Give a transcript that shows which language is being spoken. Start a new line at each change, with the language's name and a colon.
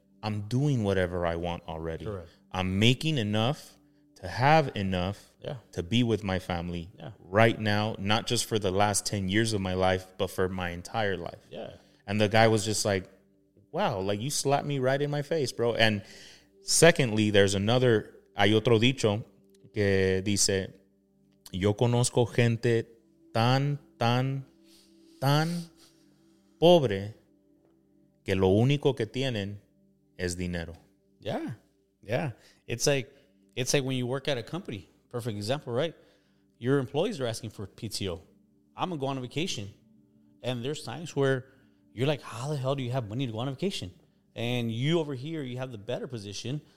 English: I'm doing whatever I want already. Correct. I'm making enough to have enough to be with my family right now, not just for the last 10 years of my life, but for my entire life. Yeah. And the guy was just like, wow, like you slapped me right in my face, bro. And secondly, there's another,
Spanish: hay otro dicho que dice, yo conozco gente tan, tan, tan pobre que lo único que tienen es dinero.
English: Yeah. Yeah. It's like when you work at a company. Perfect example, right? Your employees are asking for PTO. I'm going to go on a vacation. And there's times where you're like, how the hell do you have money to go on vacation? And you over here, you have the better position.